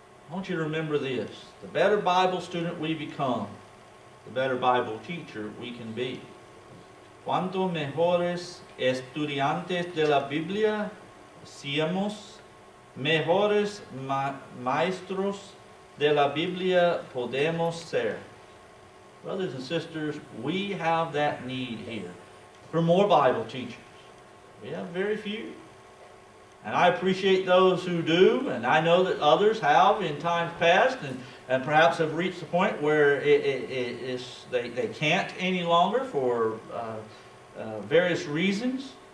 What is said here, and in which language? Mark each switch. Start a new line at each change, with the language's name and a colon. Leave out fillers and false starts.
English: I want you to remember this. The better Bible student we become, the better Bible teacher we can be.
Spanish: Cuanto mejores estudiantes de la Biblia seamos, mejores maestros de la Biblia podemos ser.
English: Brothers and sisters, we have that need here for more Bible teachers. We have very few. And I appreciate those who do, and I know that others have in times past, and perhaps have reached the point where they can't any longer for various reasons.